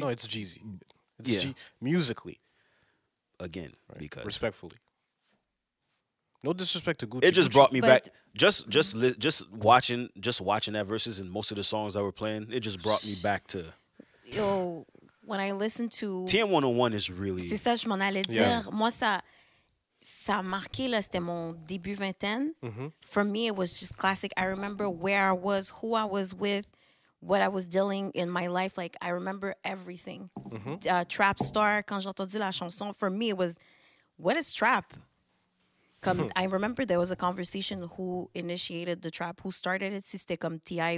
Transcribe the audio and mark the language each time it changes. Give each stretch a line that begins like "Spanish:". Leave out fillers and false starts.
English: No, it's Jeezy. It's yeah. Musically. Again, right. Because... Respectfully. No disrespect to Gucci. It just Gucci. Brought me but back. Just watching that verses and most of the songs that were playing, it just brought me back to... Yo, when I listen to... TM101 is really...
French: C'est ça, je m'en allais dire. Yeah. Moi, ça a marqué, là, c'était mon début vingtaine. Mm-hmm.
English: For me, it was just classic. I remember where I was, who I was with, what I was dealing in my life. Like, I remember everything. Mm-hmm. Trap Star,
French: quand j'ai entendu la chanson,
English: for me, it was, what is trap? I remember there was a conversation who initiated the trap, who started it,
French: si c'était comme
English: T.I.